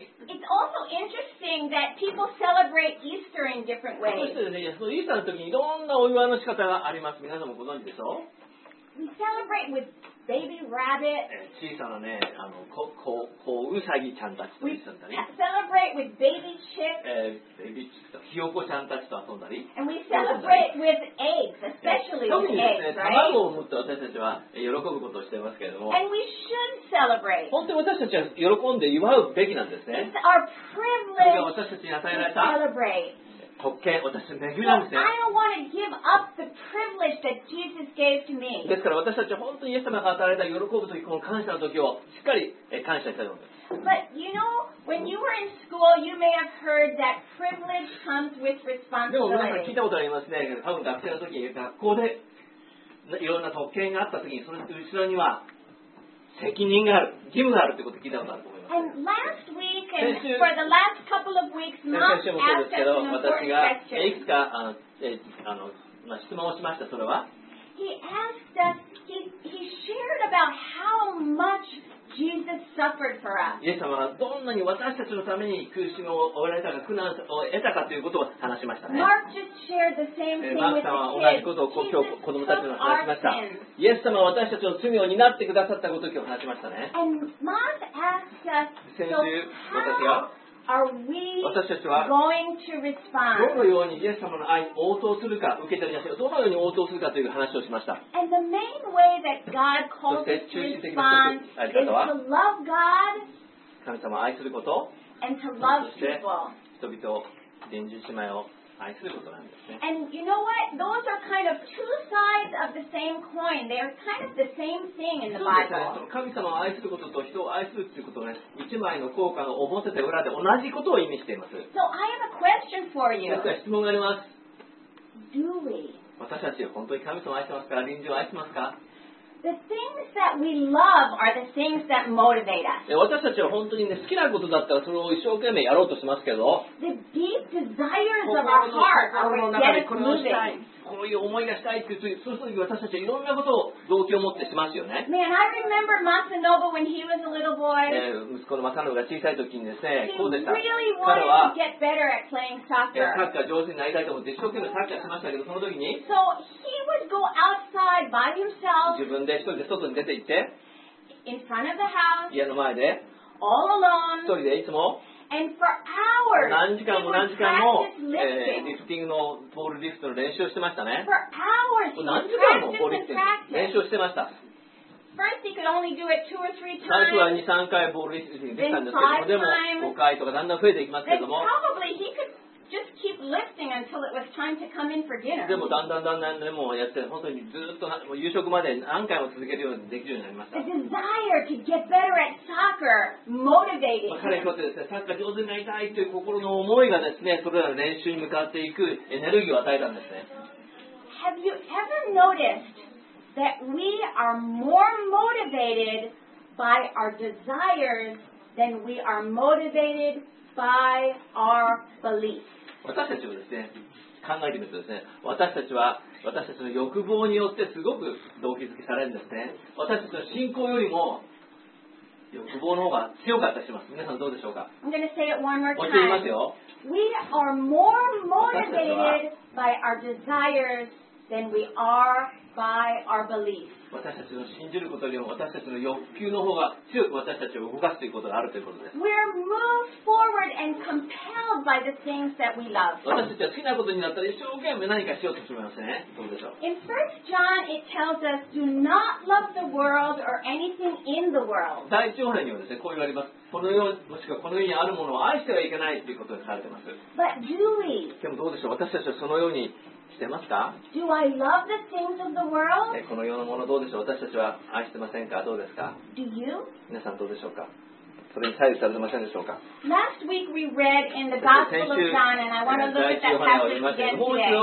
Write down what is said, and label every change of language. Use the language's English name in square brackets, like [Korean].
[English] It's also interesting that people celebrate Easter in different ways. [Japanese] そしてですね、イースターの時にいろんなお祝いの仕方があります。皆さんもご存知でしょう？ [English] We celebrate with baby rabbit. [Japanese] 小さなね、あの、こうウサギちゃんたちと一緒だったり。 [English] We celebrate with baby chick. baby chick [Japanese] とひよこちゃんたちと遊んだり。 [English] And we celebrate with eggs, especially with eggs, right? [Japanese] 特にですね、卵を産むって私たちは喜ぶことをしていますけれども。 [English] And we should celebrate. [Japanese] 本当に私たちは喜んで祝うべきなんですね。 [English] It's our privilege. [Japanese] 私たちに与えられた。 [English] Celebrate. [Japanese] 特権、私の恵みなんですね。 [English] I don't want to give up the privilege that Jesus gave to me. [Japanese] ですから私たちは本当にイエス様が与えられた喜ぶとき、この感謝のときをしっかり感謝したいと思います。 [English] But you know, when you were in school, you may have heard that privilege comes with responsibility. [Japanese] でも皆さん聞いたことありますね。多分学生のとき、学校でいろんな特権があったときに、その後ろには責任がある、義務があるということを聞いたことあると思います。 [English] And last week, and for the last couple of weeks, Mom asked us an important question. [Japanese] 私がいくつかあの質問をしました。それは [English] He asked us. He shared about how much Jesus suffered for us. [Japanese] イエス様はどんなに私たちのために苦しみを負われたか、苦難を得たかということを話しましたね。 [English] Mark just shared the same thing with the kids. [Japanese] マークさんは同じことを今日子供たちに話しました。イエス様は私たちの罪を担ってくださったことを今日話しましたね。 [English] And Mark asked us, so how are we going to respond? [Japanese] どのようにイエス様の愛に応答するか、受け取りなさい。どのように応答するかという話をしました。 [English] And the main way that God calls us to respond is to love God. [Japanese] 神様を愛すること。 [English] And to love people. [Japanese] そして人々を、隣人姉妹を。愛することなんですね。 [English] And you know what? Those are kind of two sides of the same coin. They are kind of the same thing in the Bible. [Japanese] そうですね。神様を愛することと人を愛するということね、一枚の効果の表と裏で同じことを意味しています。 [English] So I have a question for you. [Japanese] 僕は質問があります。 [English] Do we? [Japanese] 私たちは本当に神様を愛してますか？隣人を愛してますか？ [English] The things that we love are the things that motivate us. [Japanese] 私たちは本当にね、好きなことだったらそれを一生懸命やろうとしますけど。 [English] The deep desires of our heart are what get us moving. [Japanese] こういう思いがしたいって、そういう時私たちはいろんなことを動機を持ってしますよね。 [English] Man, I remember Masanobu when he was a little boy. [Japanese] 息子のマサノブが小さい時にですね、こうでした。 [English] He really wanted to get better at playing soccer. [Japanese] サッカー上手になりたいと思って一生懸命サッカーしましたけど、その時に、 [English] So he would go outside by himself. [Japanese] 自分で一人で外に出て行って、 [English] In front of the house. [Japanese] 家の前で、 [English] All alone. [Japanese] 一人でいつも、 [English] And for hours, [Japanese] 何時間も何時間も、リフティングのポールリフトの練習をしてましたね。 [English] For hours, [Japanese] 何時間もポールリフトの練習をしてました。 [English] First, he could only do it two or three times. [Japanese] 最初は 2、3 回ポールリフトにできたんですけども、でも5回とかだんだん増えていきますけども。 [English] Just keep lifting until it was time to come in for dinner. [Japanese] でもだんだんだんだんでもやって本当にずっともう夕食まで何回も続けるようにできるようになりました。 [English] The desire to get better at soccer motivated. [Japanese] 彼にとってですね、サッカー上手になりたいという心の思いがですね、それらの練習に向かっていくエネルギーを与えたんですね。 [English] Have you ever noticed that we are more motivated by our desires than we are motivated? By our beliefs. [Japanese] 私たちはですね、考えてみるとですね、私たちは私たちの欲望によってすごく動機づけされるんですね。私たちの信仰よりも欲望の方が強かったりします。皆さんどうでしょうか？ [English] I'm going to say it one more time. [Japanese] もう一度言いますよ。 [English] We are more motivated by our desires than we are by our beliefs. [Japanese] 私たちの信じることよりも私たちの欲求の方が強く私たちを動かすということがあるということです。 [English] We're moved forward and compelled ourselves by the things that we love. [Japanese] 私たちは好きなことになったら一生懸命何かしようとしますね。どうでしょう。 [English] In 1 John it tells us do not love the world or anything in the world. [Japanese] 第1章にはですね、こう言われます。この世、もしくはこの世にあるものを愛してはいけないということが書かれています。 [English] But do we? [Japanese] でもどうでしょう。私たちはそのようにしてますか。 [English] Do I love the things of the world? [Japanese] この世のものどうでしょう。私たちは愛してませんか。どうですか。 [English] Do you? [Japanese] 皆さんどうでしょうか。それに左右されてませんでしょうか。 [English] Last week we read in the Gospel of John and I want to look at that passage again today.